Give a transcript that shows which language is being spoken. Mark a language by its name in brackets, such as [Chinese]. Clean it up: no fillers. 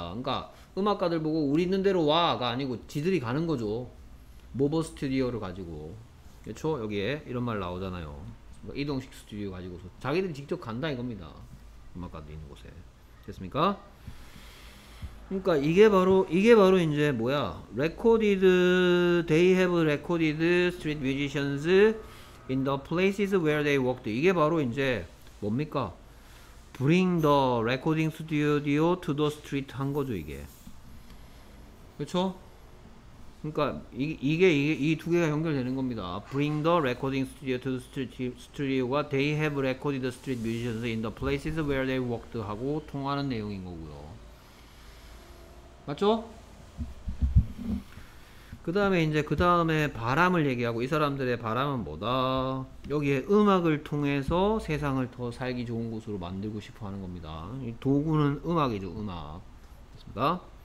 [Korean] 그러니까 음악가들 보고 우리 있는 대로 와가 아니고 지들이 가는 거죠. 모버 스튜디오를 가지고. 그렇죠? 여기에 이런 말 나오잖아요. 이동식 스튜디오 가지고서 자기들이 직접 간다 이겁니다. 음악가들 있는 곳에. 됐습니까? 그러니까 이게 바로 이제 뭐야? [English] Recorded, they have recorded street musicians in the places where they worked. [Korean] 이게 바로 이제 뭡니까? [English] Bring the recording studio to the street [Korean] 한 거죠, 이게. 그렇죠? 그러니까 이게 이 두 개가 연결되는 겁니다. [English] Bring the recording studio to the studio가 they have recorded street musicians in the places where they worked [Korean] 하고 통하는 내용인 거고요. 맞죠? 그 다음에 이제 그 다음에 바람을 얘기하고 이 사람들의 바람은 뭐다? 여기에 음악을 통해서 세상을 더 살기 좋은 곳으로 만들고 싶어 하는 겁니다. 이 도구는 음악이죠, 음악. 됐습니다.